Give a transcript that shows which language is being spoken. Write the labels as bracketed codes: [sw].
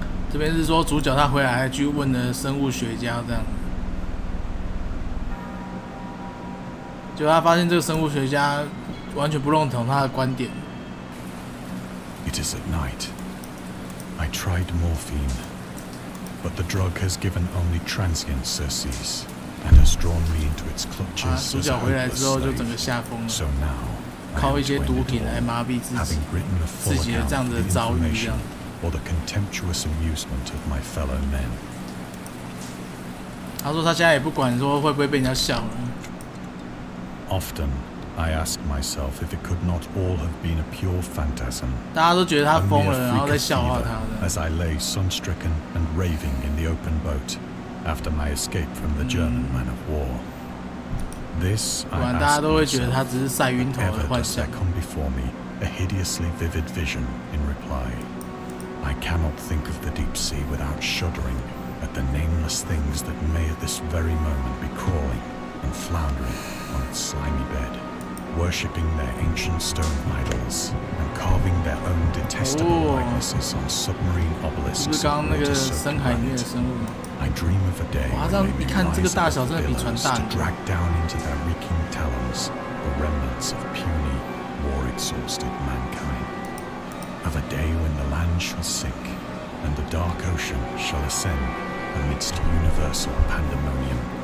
[en] Here is that the main character returned and asked the biologist this. [zh] 结果他发现这个生物学家完全不认同他的观点。 [en] It is at night. I tried morphine, but the drug has given only transient surcease and has drawn me into its clutches. [zh] 主角回来之后就整个吓疯了。 [en] So now, [zh] 靠一些毒品来麻痹自己的这样子的遭遇，这样。 [en] Or the contemptuous amusement of my fellow men. [zh] 他说他现在也不管说会不会被人家笑了。 [en] Often, I ask myself if it could not all have been a pure phantasm. [zh] 大家都觉得他疯了，然后在笑话他。 [en] As I lay sun-stricken and raving in the open boat, after my escape from the German man of war, this I ask myself. Ever does there come before me a hideously vivid vision in reply? I cannot think of the deep sea without shuddering at the nameless things that may at this very moment be crawling and floundering. Slimy bed, worshipping their ancient stone idols and carving their own detestable likenesses on submarine obelisks. [zh] 是刚那个深海里面的生物吗？ [en] I dream of a day. [zh] 哇，这样一看，这个大小真的比船大。 [en] To drag down into their reeking talons the remnants of puny, war-exhausted mankind. Of a day when the land shall sink, and the dark ocean shall ascend amidst universal pandemonium.